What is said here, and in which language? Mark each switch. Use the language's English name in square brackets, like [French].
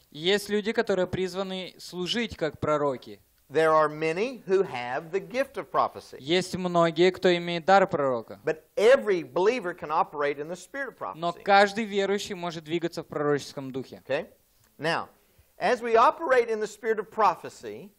[Russian] Есть люди, которые призваны служить как пророки. [English] There are many who have the gift of prophecy. [Russian] Есть многие, кто имеет дар пророка. [English] But every believer can operate in the spirit of prophecy. [Russian] Но каждый верующий может двигаться в пророческом духе. [English] Okay. Now, as we operate in the spirit of prophecy,